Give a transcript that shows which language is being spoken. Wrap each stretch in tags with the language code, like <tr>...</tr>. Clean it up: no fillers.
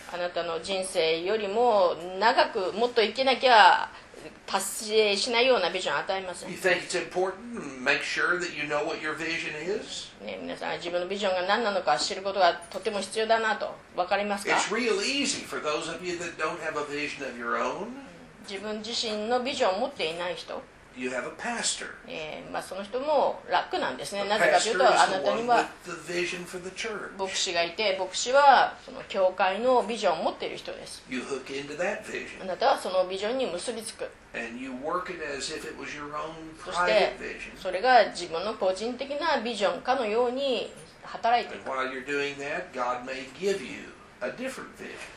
<ja>あなたの人生よりも長くもっと生きなきゃ達成しないようなビジョンを与えません。</ja> <en>You think it's important to make sure that you know what your vision is?</en> <ja>ね、皆さん自分のビジョンが何なのか知ることがとても必要だなと分かりますか?</ja> <en>It's real easy for those of you that don't have a vision of your own.</en> <ja>自分自身のビジョンを持っていない人。</ja> <en>You have a pastor.</en> <ja>まあその人も楽なんですね。なぜかというとあなたには</ja> <en>the vision for the church.</en> <ja>牧師がいて、牧師はその教会のビジョンを持っている人です。</ja> <en>You hook into that vision.</en> <ja>あなたはそのビジョンに結びつく。</ja> <en>And you work it as if it was your own private vision.</en> <ja>そしてそれが自分の個人的なビジョンかのように働いていく。</ja> <en>And while you're doing that, God may give you a different vision.</en>